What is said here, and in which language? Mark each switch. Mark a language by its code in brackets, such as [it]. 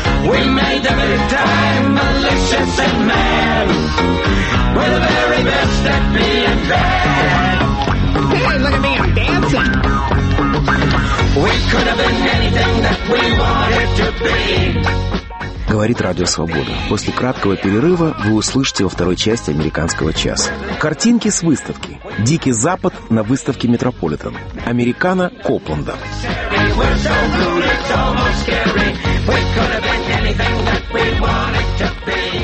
[en] We made the big time, malicious and mad. We're the very best at being bad. Hey, look at me, I'm dancing. We could have been anything that we wanted to be. [ru] Говорит Радио Свобода. После краткого перерыва вы услышите во второй части «Американского часа». Картинки с выставки. «Дикий Запад» на выставке «Метрополитен». «Американо» Копланда. [en] We're so rude, it's almost scary. We could have been anything that we wanted to be.